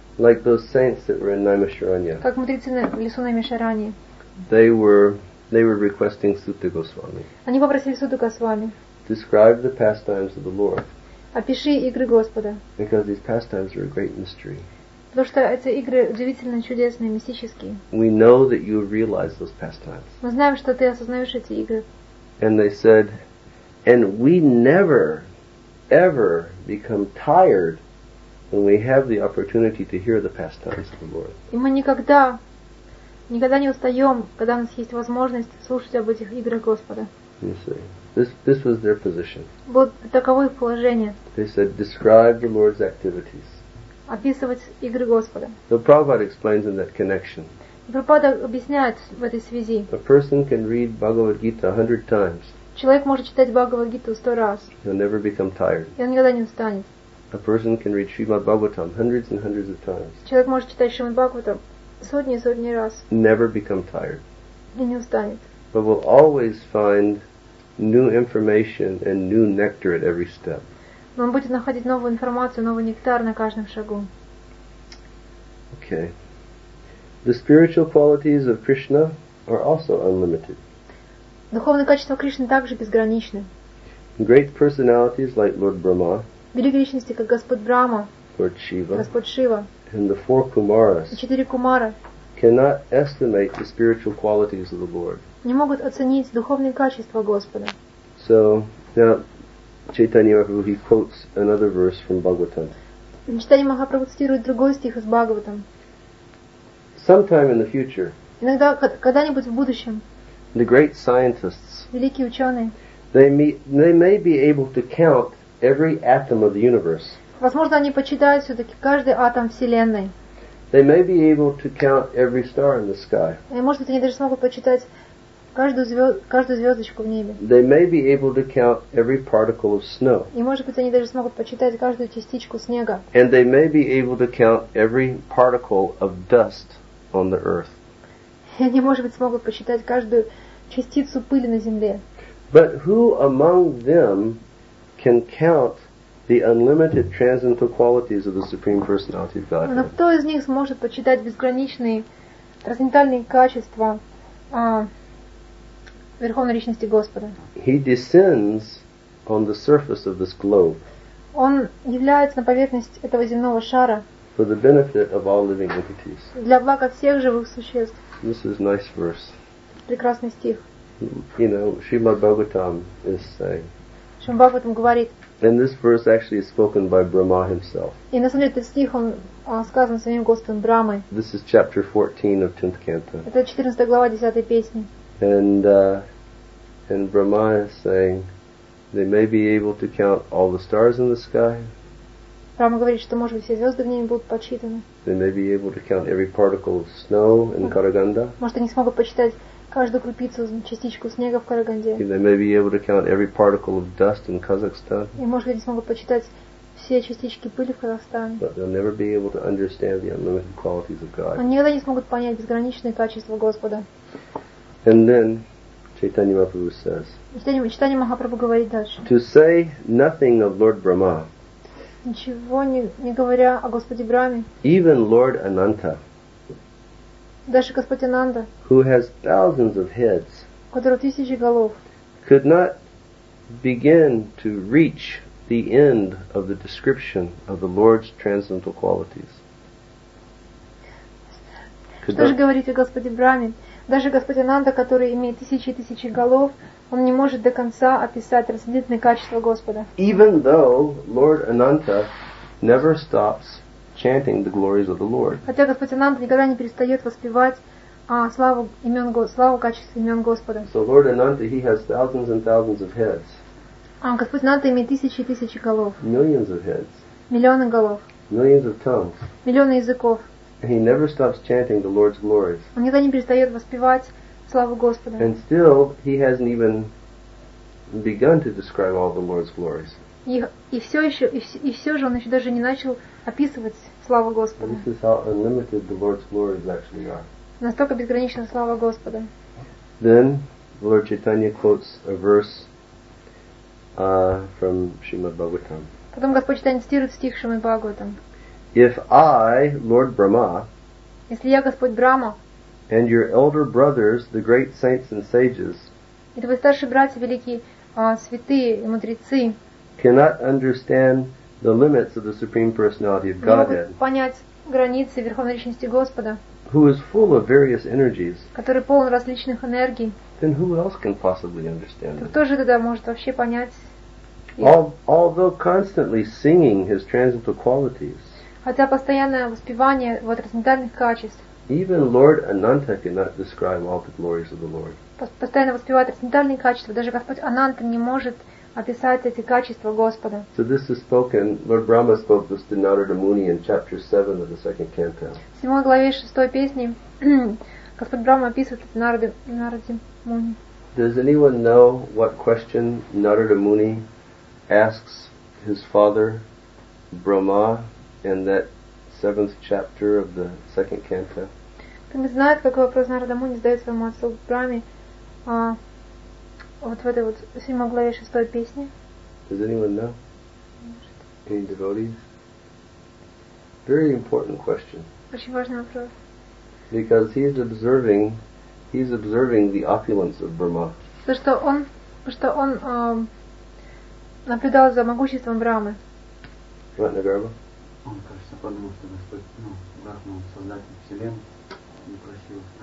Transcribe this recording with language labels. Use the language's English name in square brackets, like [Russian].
[English] Like those saints that were in Naimisharanya. [Russian] Как мудрецы в лесу Наймишарани. [English] They were requesting Сутта Госвами. [Russian] Они попросили Сутту Госвами. [English] Describe the pastimes of the Lord. [Russian] Опиши игры Господа. [English] Because these pastimes are a great mystery. [Russian] Потому что эти игры удивительно чудесные, мистические. [English] We know that you realize those pastimes. [Russian] Мы знаем, что ты осознаешь эти игры. [English] And they said, and we never, ever become tired when we have the opportunity to hear the pastimes of the Lord. [Russian] И мы никогда не устаем, когда у нас есть возможность слушать об этих играх Господа. [English] You see, this was their position. [Russian] Вот таково их положение. [English] They said, describe the Lord's activities. [Russian] Описывать игры Господа. [English] So Prabhupada explains in that connection. [Russian] Прабхупада объясняет в этой связи. [English] A person can read Bhagavad Gita 100 times. [Russian] Человек может читать Бхагавад Гиту 100 раз. [English] He'll never become tired. [Russian] И он никогда не устанет. [English] A person can read Srimad Bhagavatam hundreds and hundreds of times. [Russian] Человек может читать Шримад Бхагаватам сотни и сотни раз. [English] Never become tired. [Russian] И не устанет. [English] But will always find new information and new nectar at every step. [Russian] Но он будет находить новую информацию, новый нектар на каждом шагу. [English] Okay. The spiritual qualities of Krishna are also unlimited. [Russian] Духовные качества Кришны также безграничны. [English] Great personalities like Lord Brahma. [Russian] Великие личности, как Господь Брама. [English] Lord Shiva. [Russian] Господь Шива. [English] And the four Kumaras. [Russian] И четыре Кумара. [English] Cannot estimate the spiritual qualities of the Lord. [Russian] Не могут оценить духовные качества Господа. [English] So, now, Chaitanya Mahaprabhu, he quotes another verse from Bhagavatam. [Russian] Chaitanya Mahaprabhu цитирует другой стих из Бхагаватам. [English] Sometime in the future. [Russian] Иногда, когда-нибудь в будущем. [English] The great scientists. [Russian] Великие ученые. [English] They may be able to count every atom of the universe. [Russian] Возможно, они подсчитают все-таки каждый атом Вселенной. [English] They may be able to count every star in the sky. [Russian] И, может быть, они даже смогут подсчитать каждую звездочку в небе. [English] They may be able to count every particle of snow. [Russian] И, может быть, они даже смогут подсчитать каждую частичку снега. [English] And they may be able to count every particle of dust on the earth. [Russian] И они, может быть, смогут подсчитать каждую частицу пыли на земле. [English] But who among them can count the unlimited transcendental qualities of the Supreme Personality of Godhead? [Russian] Но кто из них сможет подсчитать безграничные трансцендентальные качества Верховной Личности Господа? [English] He descends on the surface of this globe. [Russian] Он является на поверхность этого земного шара. [English] For the benefit of all living entities. [Russian] Для блага всех живых существ. [English] This is nice verse. [Russian] Прекрасный стих. [English] You know, Srimad Bhagavatam is saying. [Russian] Шримад Бхагаватам говорит. [English] And this verse actually is spoken by Brahma himself. [Russian] И на самом деле этот стих он сказан своим Господом Брамой. [English] This is chapter 14 of 10th canto. [Russian] Это 14 глава 10 песни. [English] And Brahma is saying, They may be able to count all the stars in the sky. [Russian] Рама говорит, что, может быть, все звезды в небе будут подсчитаны. [English] They may be able to count every particle of snow in Karaganda. [Russian] Может, они смогут посчитать каждую крупицу, частичку снега в Караганде. [English] And they may be able to count every particle of dust in Kazakhstan. [Russian] И, может, они смогут посчитать все частички пыли в Казахстане. [English] But they'll never be able to understand the unlimited qualities of God. [Russian] Они никогда не смогут понять безграничные качества Господа. [English] And then Chaitanya Mahaprabhu says. [Russian] Chaitanya Mahaprabhu говорит дальше. [English] To say nothing of Lord Brahma. [Russian] Ничего не говоря о Господе Брахме. [English] Even Lord Ananta. [Russian] Даже Господь Ананда. [English] Who has thousands of heads. [Russian] У которого тысячи голов. [English] Could not begin to reach the end of the description of the Lord's transcendental qualities. [Russian] Что же говорить о Господе Брахме? Даже Господь Ананда, который имеет тысячи и тысячи голов, он не может до конца описать трансцендентные качества Господа. [English] Even though Lord Ananta never stops chanting the glories of the Lord. [Russian] Хотя Господь Ананда никогда не перестает воспевать славу качеств имен Господа. [English] So Lord Ananta, he has thousands and thousands of heads. [Russian] А Господь Ананда имеет тысячи и тысячи голов. [English] Millions of heads. [Russian] Миллионы голов. [English] Millions of tongues. [Russian] Миллионы языков. [English] He never stops chanting the Lord's glories. [Russian] Он никогда не перестает воспевать славу Господа. [English] And still, he hasn't even begun to describe all the Lord's glories. [Russian] И все же он еще даже не начал описывать славу Господа. [English] This is how unlimited the Lord's glories actually are. [Russian] Настолько безгранична слава Господа. [English] Then, Lord Chaitanya quotes a verse from Srimad Bhagavatam. [Russian] Потом Господь Chaitanya цитирует стих Шримад Бхагаватам. [English] If I, Lord Brahma, [Russian] если я Господь Брахма, [English] and your elder brothers, the great saints and sages, [Russian] и твои старшие братья, великие святые и мудрецы, [English] cannot understand the limits of the Supreme Personality of Godhead, [Russian] не могут понять границы Верховной Личности Господа, [English] who is full of various energies, [Russian] который полон различных энергий, [English] then who else can possibly understand it? [Russian] Кто же тогда может вообще понять? [English] Although constantly singing his transcendental qualities, [Russian] хотя постоянное воспевание его трансцендентальных качеств. [English] Even Lord Ananta cannot describe all the glories of the Lord. [Russian] Постоянно воспевая трансцендентальные качества, даже Господь Ананта не может описать эти качества Господа. [English] So this is spoken, Lord Brahma spoke this to Narada Muni in chapter 7 of the second canto. [Russian] В 7 главе 6 песни Господь Брахма описывает это Нараде Муни. [English] Does anyone know what question Narada Muni asks his father Brahma in that seventh chapter of the second canto? [Russian] Кто не знает, какой вопрос Нарада Муни задает своему отцу Брахме вот в этой вот седьмой главе шестой песни? [English] Does anyone know? Any devotees? Very important question. [Russian] Очень важный вопрос. [English] Because he's observing the opulence of Brahma. [Russian] Потому что он наблюдал за могуществом Брахмы. [English] Right, Nagarbha? [Russian] Он, кажется, подумал, что Господь, Брахма, создатель Вселенной, не просил